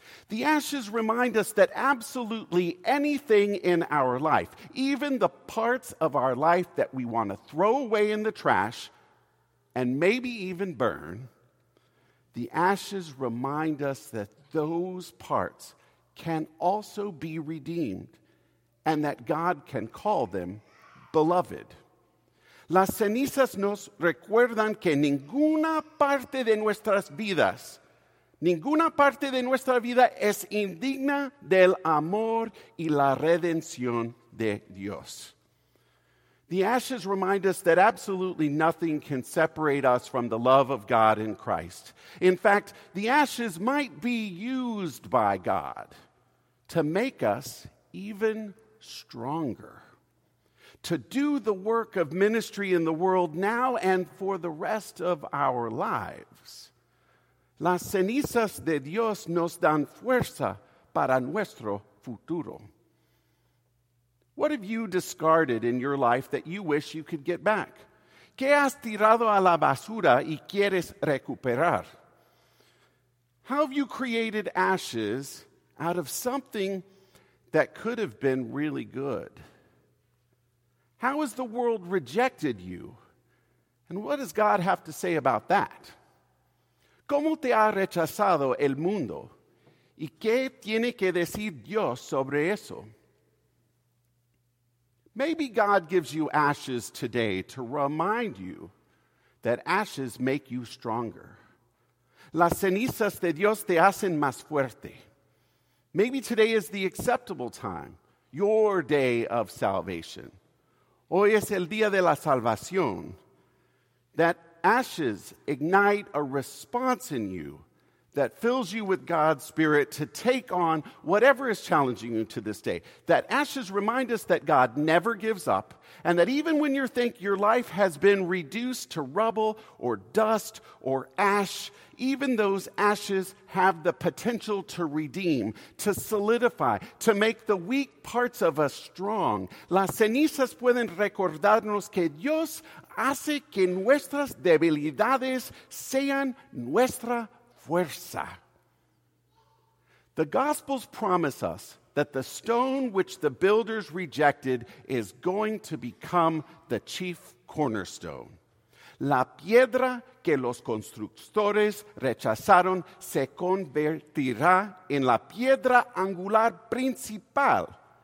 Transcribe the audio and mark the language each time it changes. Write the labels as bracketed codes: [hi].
[en] The ashes remind us that absolutely anything in our life, even the parts of our life that we want to throw away in the trash and maybe even burn, the ashes remind us that those parts can also be redeemed and that God can call them beloved. [es] Las cenizas nos recuerdan que ninguna parte de nuestras vidas, ninguna parte de nuestra vida es indigna del amor y la redención de Dios. [en] The ashes remind us that absolutely nothing can separate us from the love of God in Christ. In fact, the ashes might be used by God to make us even stronger, to do the work of ministry in the world now and for the rest of our lives. [es] Las cenizas de Dios nos dan fuerza para nuestro futuro. [en] What have you discarded in your life that you wish you could get back? [es] ¿Qué has tirado a la basura y quieres recuperar? [en] How have you created ashes out of something that could have been really good? How has the world rejected you? And what does God have to say about that? [es] ¿Cómo te ha rechazado el mundo? ¿Y qué tiene que decir Dios sobre eso? [en] Maybe God gives you ashes today to remind you that ashes make you stronger. [es] Las cenizas de Dios te hacen más fuerte. [en] Maybe today is the acceptable time, your day of salvation. [es] Hoy es el día de la salvación. [en] That ashes ignite a response in you that fills you with God's Spirit to take on whatever is challenging you to this day. That ashes remind us that God never gives up, and that even when you think your life has been reduced to rubble or dust or ash, even those ashes have the potential to redeem, to solidify, to make the weak parts of us strong. [es] Las cenizas pueden recordarnos que Dios hace que nuestras debilidades sean nuestra fuerza. [en] The Gospels promise us that the stone which the builders rejected is going to become the chief cornerstone. [es] La piedra que los constructores rechazaron se convertirá en la piedra angular principal.